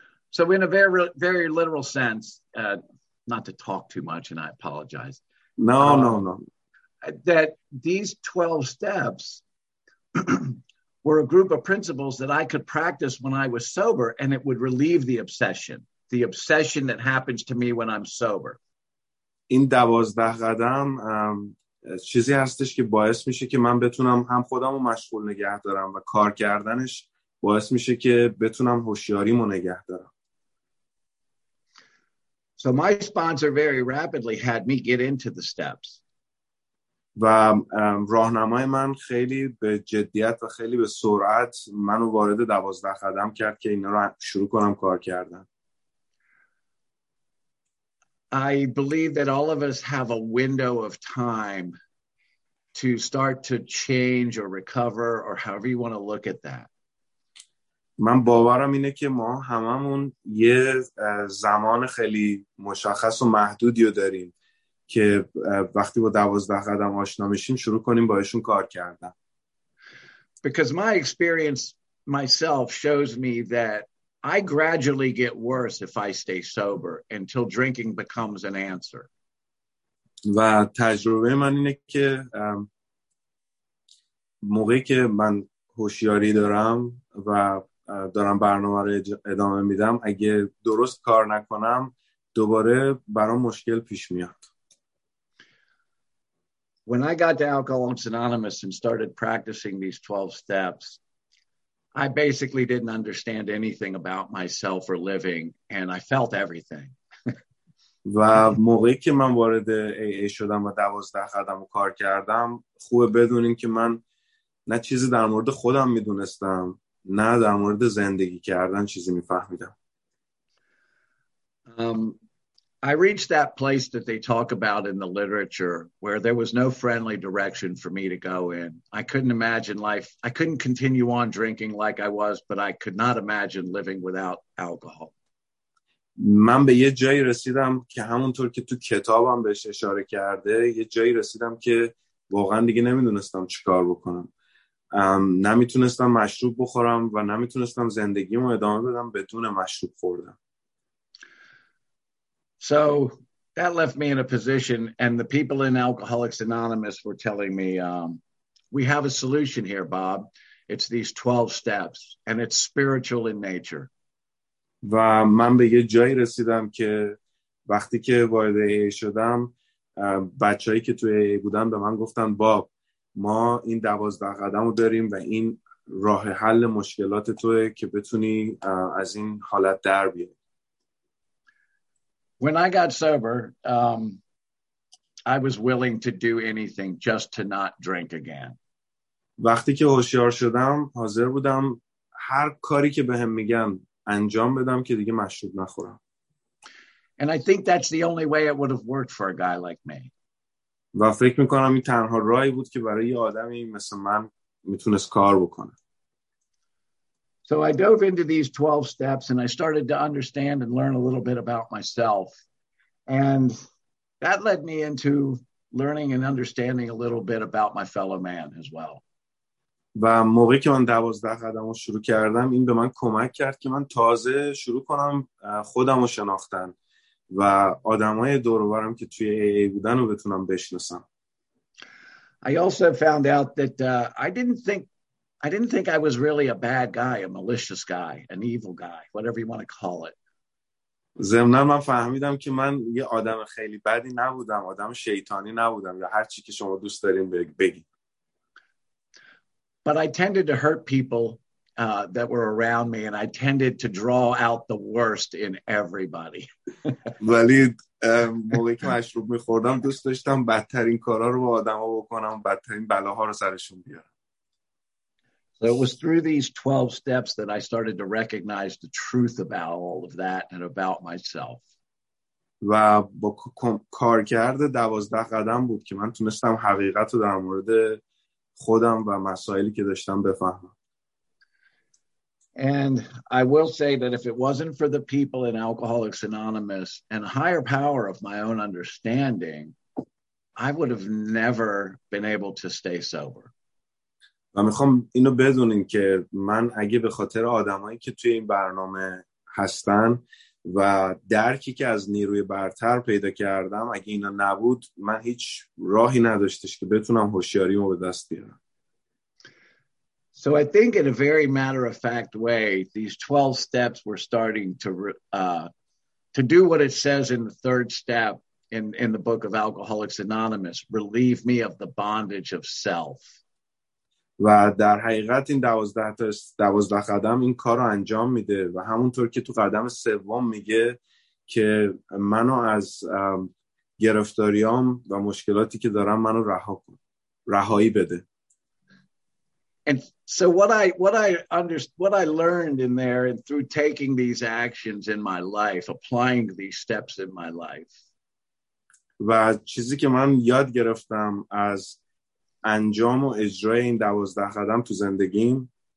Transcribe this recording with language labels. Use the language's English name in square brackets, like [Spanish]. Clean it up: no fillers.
[English] So in a very, very literal sense, not to talk too much and I apologize. No. That these 12 steps were a group of principles that I could practice when I was sober, and it would relieve the obsession that happens to me when I'm sober. [Persian] این 12 قدم چیزی هستش که باعث میشه که من بتونم هم خودم رو مشغول نگه دارم و کار کردنش باعث میشه که بتونم هوشیاریمو نگه دارم. [English] So my sponsor very rapidly had me get into the steps. [Persian] و راهنمای من خیلی به جدیت و خیلی به سرعت منو وارد 12 قدم کرد که اینا رو شروع کنم کار کردن. [English] I believe that all of us have a window of time to start to change or recover or however you want to look at that. [Persian] من باورم اینه که ما هممون یه زمان خیلی مشخص و محدودی داریم که وقتی با 12 قدم آشنا میشیم شروع کنیم باهاشون کار کردن. [English] Because my experience myself shows me that I gradually get worse if I stay sober until drinking becomes an answer. [Persian] و تجربه من اینه که موقعی که من هوشیاری دارم و دارم برنامه رو ادامه میدم اگه درست کار نکنم دوباره برام مشکل پیش میاد. [English] When I got to Alcoholics Anonymous and started practicing these 12 steps, I basically didn't understand anything about myself or living, and I felt everything. [Persian] و موقعی که من وارد AA شدم و 12 قدمو کار کردم، خوبه بدونین که من نه چیزی در مورد خودم میدونستم، نه در مورد زندگی کردن چیزی میفهمیدم. [English] I reached that place that they talk about in the literature where there was no friendly direction for me to go in. I couldn't imagine life. I couldn't continue on drinking like I was, but I could not imagine living without alcohol. [Persian] من به یه جایی رسیدم که همونطور که تو کتابم بهش اشاره کرده، یه جایی رسیدم که واقعا دیگه نمیدونستم چیکار بکنم. نمیتونستم مشروب بخورم و نمیتونستم زندگیمو ادامه بدم بدون مشروب خوردن. [English] So that left me in a position, and the people in Alcoholics Anonymous were telling me, we have a solution here, Bob. It's these 12 steps, and it's spiritual in nature. [Persian] و من به یه جایی رسیدم که وقتی که وارد AA شدم، بچه‌هایی که توی AA بودن به من گفتن باب، ما این 12 قدم رو داریم و این راه حل مشکلات توه که بتونی از این حالت در بیای. [English] When I got sober, I was willing to do anything just to not drink again. [Persian] وقتی که هوشیار شدم، حاضر بودم هر کاری که بهم میگن انجام بدم که دیگه مشروب نخورم. [English] And I think that's the only way it would have worked for a guy like me. [Persian] و فکر میکنم این تنها راهی بود که برای یه آدمی مثل من میتونست کار بکنه. [English] So I dove into these 12 steps and I started to understand and learn a little bit about myself. And that led me into learning and understanding a little bit about my fellow man as well. [Persian] و موقعی که من 12 قدمو شروع کردم این به من کمک کرد که من تازه شروع کنم خودمو شناختن و آدمای دور و برم که توی AA بودن رو بتونم بشناسم. [English] I also found out that I didn't think I was really a bad guy, a malicious guy, an evil guy, whatever you want to call it. [Persian] ضمناً من فهمیدم که من یه آدم خیلی بدی نبودم، آدم شیطانی نبودم یا هر چی که شما دوست دارین بگید. [English] But I tended to hurt people that were around me and I tended to draw out the worst in everybody. [Persian] ولی موقعی که مشروب می‌خوردم دوست داشتم بدترین کارا رو با آدم‌ها بکنم، بدترین بلاها رو سرشون بیارم. [English] So it was through these 12 steps that I started to recognize the truth about all of that and about myself. [Persian] و با کار کرده 12 قدم بود که من تونستم حقیقت رو در مورد خودم و مسائلی که داشتم بفهمم. [English] And I will say that if it wasn't for the people in Alcoholics Anonymous and higher power of my own understanding, I would have never been able to stay sober. [Persian] و میخوام اینو بدونین که من اگه به خاطر آدمایی که توی این برنامه هستن و درکی که از نیروی برتر پیدا کردم اگه اینا نبود من هیچ راهی نداشتش که بتونم هوشیاریمو به دست بیارم. [English] So I think in a very matter of fact way these 12 steps were starting to do what it says in the third step in the book of Alcoholics Anonymous, relieve me of the bondage of self. [Persian] و در حقیقت این 12 قدم این کار رو انجام میده و همونطور که تو قدم سوم میگه که منو از گرفتاریام و مشکلاتی که دارم منو رها کن، رهایی بده. [English] And so what I learned in there and through taking these actions in my life, applying these steps in my life. [Persian] و چیزی که من یاد گرفتم از انجام و اجرای این 12 قدم تو زندگیم